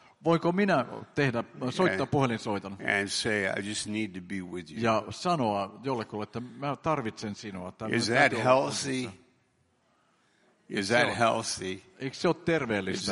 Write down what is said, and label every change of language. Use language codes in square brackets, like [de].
[fi] Voiko minä tehdä soittaa puhelinsoiton? [en] And say I just need to be with you. [fi] Ja sanoa jollekulle, että mä tarvitsen sinua. [en] Is that healthy? Is that healthy? [fi] Eikö se ole terveellistä?